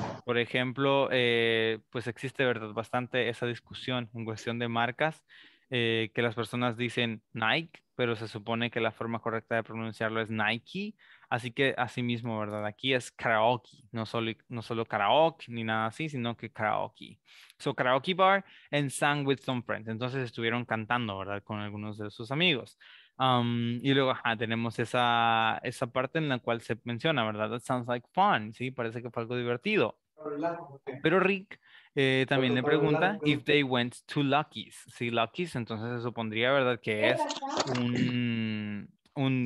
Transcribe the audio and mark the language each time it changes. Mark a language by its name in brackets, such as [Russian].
[Spanish] Por ejemplo, pues existe, ¿verdad?, bastante esa discusión en cuestión de marcas, que las personas dicen Nike, pero se supone que la forma correcta de pronunciarlo es Nike. Así que así mismo, ¿verdad? Aquí es karaoke, no solo karaoke ni nada así, sino que karaoke. [English] So, karaoke bar and sang with some friends. [Spanish] Entonces estuvieron cantando, ¿verdad?, con algunos de sus amigos. Y luego tenemos esa parte en la cual se menciona, ¿verdad? [English] That sounds like fun, [Spanish] ¿sí? Parece que fue algo divertido. Pero Rick también le pregunta [English] if they went to Lucky's. [Spanish] Sí, Lucky's, entonces se supondría, ¿verdad?, que es un